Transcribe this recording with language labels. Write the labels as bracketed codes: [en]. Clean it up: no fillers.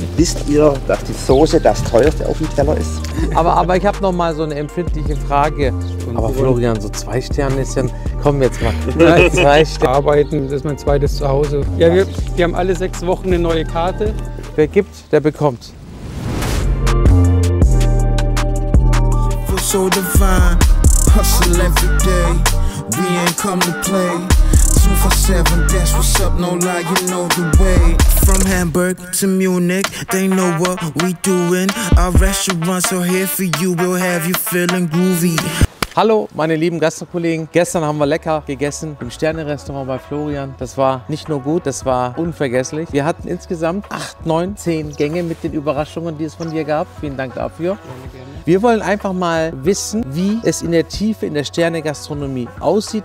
[de] Wisst ihr, dass die Soße das teuerste auf dem Teller ist? Aber ich habe noch mal so eine empfindliche Frage. Aber Florian, so zwei Sterne ist ja... Komm jetzt mal. Zwei Sterne. Arbeiten, das ist mein zweites Zuhause. Ja, wir haben alle 6 Wochen eine neue Karte. Wer gibt, der bekommt. [en] So divine, hustle every day, we ain't come to play, 24/7, that's what's up, no lie, you know the way. From Hamburg to Munich, they know what we doing, our restaurants are here for you, we'll have you feeling groovy. [de] Hallo meine lieben Gastkollegen, gestern haben wir lecker gegessen im Sterne-Restaurant bei Florian. Das war nicht nur gut, das war unvergesslich. Wir hatten insgesamt 8, 9, 10 Gänge mit den Überraschungen, die es von dir gab. Vielen Dank dafür. Wir wollen einfach mal wissen, wie es in der Tiefe in der Sterne-Gastronomie aussieht.